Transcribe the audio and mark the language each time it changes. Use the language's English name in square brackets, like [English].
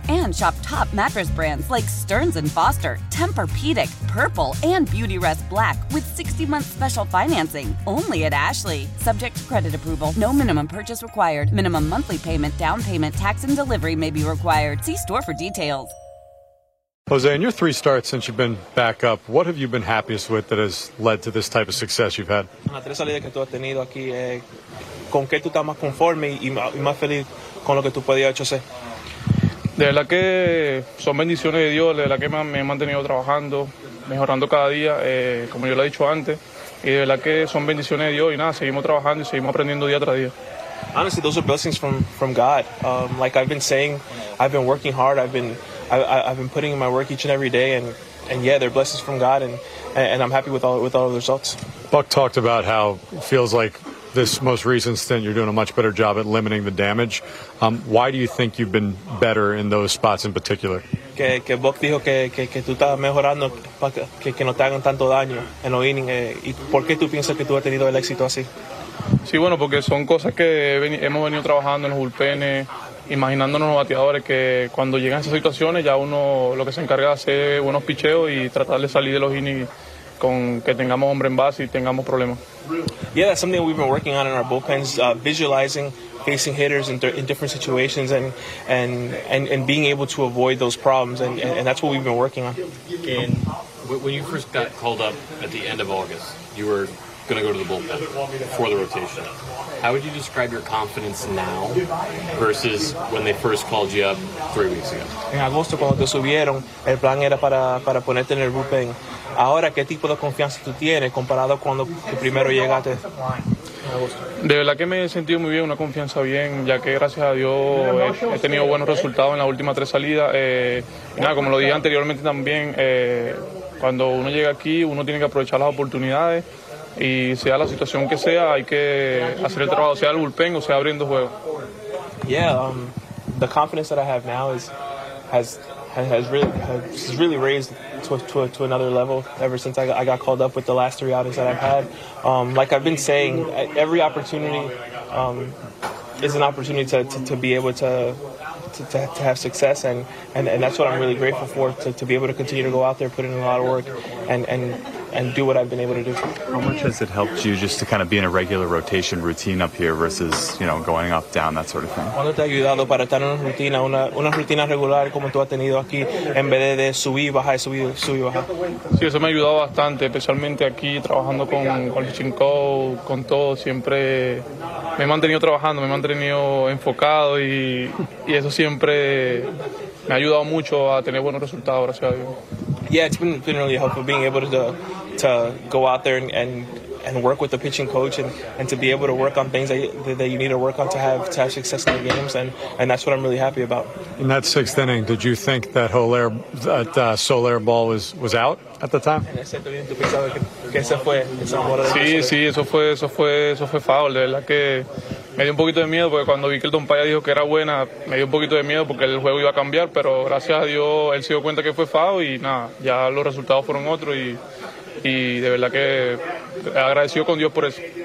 [English] And shop top mattress brands like Stearns & Foster, Tempur-Pedic, Purple, and Beautyrest Black with 60-month special financing only at Ashley. Subject to credit approval, no minimum purchase required. Minimum monthly payment, down payment, tax, and delivery may be required. See store for details. Jose, in your three starts since you've been back up, what have you been happiest with that has led to this type of success you've had? [Spanish] En las tres salidas que tú has tenido aquí, ¿con qué tú estás más conforme y más feliz con lo que tú podías hacer? De verdad que son bendiciones de Dios, de verdad que me he mantenido trabajando, mejorando cada día, como yo lo he dicho antes, y de verdad que son bendiciones de Dios y nada, seguimos trabajando y seguimos aprendiendo día tras día. [English] Honestly, those are blessings from God. Like I've been saying, I've been working hard. I've been putting in my work each and every day, and yeah, they're blessings from God, and I'm happy with all the results. Buck talked about how it feels like this most recent stint you're doing a much better job at limiting the damage. Why do you think you've been better in those spots in particular? [Spanish] Que Buck dijo que tú estás mejorando para que no te hagan tanto daño en los innings. ¿Y por qué tú piensas que tú has tenido el éxito así? Sí, bueno, porque son cosas que hemos venido trabajando en los bullpenes, imaginándonos los bateadores, que cuando llegan esas situaciones ya uno lo que se encarga de hacer buenos picheos y tratar de salir de los innings con que tengamos hombre en base y tengamos problemas. Yeah, that's something we've been working on in our bullpens, visualizing facing hitters in different situations and being able to avoid those problems, and that's what we've been working on. [English] And when you first got called up at the end of August, you were going to go to the bullpen for the rotation. How would you describe your confidence now versus when they first called you up 3 weeks ago? [Spanish] En agosto cuando te subieron, el plan era para ponerte en el bullpen. Ahora, ¿qué tipo de confianza tú tienes comparado cuando tú primero llegaste? De verdad que me he sentido muy bien, una confianza bien, ya que gracias a Dios he tenido buenos resultados en las últimas tres salidas. Nada, como lo dije anteriormente también, cuando uno llega aquí, uno tiene que aprovechar las oportunidades. Y sea la situación que sea, hay que hacer el trabajo, sea el bullpen o sea abriendo juego. [English] Yeah, the confidence that I have now has really raised to another level ever since I got called up with the last three outings that I've had. Like I've been saying, every opportunity is an opportunity to be able to have success, and that's what I'm really grateful for, to be able to continue to go out there, put in a lot of work, and do what I've been able to do. How much has it helped you just to kind of be in a regular rotation routine up here versus, you know, going up, down, that sort of thing? [Spanish] ¿Cuándo te ha ayudado para estar en una rutina regular como tú has tenido aquí en vez de subir y bajar? Sí, eso me ha ayudado bastante, especialmente aquí trabajando con el pitching coach, con todo. Siempre me he mantenido trabajando, me he mantenido enfocado y eso siempre me ha ayudado mucho a tener buenos resultados, gracias a Dios. Yeah, it's been really helpful being able to go out there and work with the pitching coach and to be able to work on things that you need to work on to have success in the games, and that's what I'm really happy about. [English] In that sixth inning, did you think that Soler ball was out at the time? [Spanish] Sí, eso fue foul. De verdad que me dio un poquito de miedo porque cuando vi que el Don Paya dijo que era buena, me dio un poquito de miedo porque el juego iba a cambiar, pero gracias a Dios él se dio cuenta que fue foul y nada, ya los resultados fueron otros y de verdad que agradecido con Dios por eso.